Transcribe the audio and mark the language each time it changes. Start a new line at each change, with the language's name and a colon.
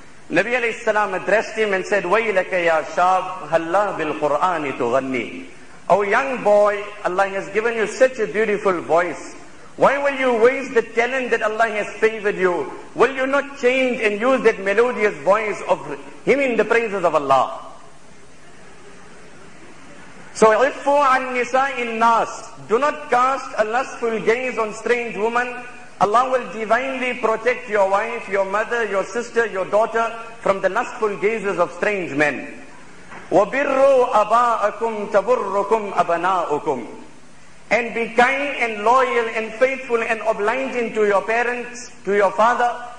English: Nabi alayhi salam addressed him and said,
Arabic: وَيْلَكَ يَا شَابْ هَلَّا بِالْقُرْآنِ تُغَنِّي.
English: O young boy, Allah has given you such a beautiful voice. Why will you waste the talent that Allah has favored you? Will you not change and use that melodious voice of Him in the praises of Allah?
Arabic: So, عِفُّ عَنْ نِسَاءِ النَّاسِ.
English: Do not cast a lustful gaze on strange women. Allah will divinely protect your wife, your mother, your sister, your daughter from the lustful gazes of strange men.
Arabic: وَبِرُّوا أَبَاءَكُمْ تَبُرُّكُمْ أَبَنَاءُكُمْ.
English: And be kind and loyal and faithful and obliging to your parents, to your father.